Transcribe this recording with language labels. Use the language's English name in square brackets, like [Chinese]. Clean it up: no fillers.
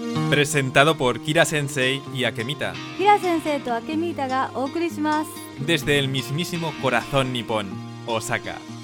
[Spanish] Presentado por Kira Sensei y Akemita. [Japanese] Kira Sensei と Akemita がお送りします。 [Spanish] Desde el mismísimo corazón nipón, Osaka.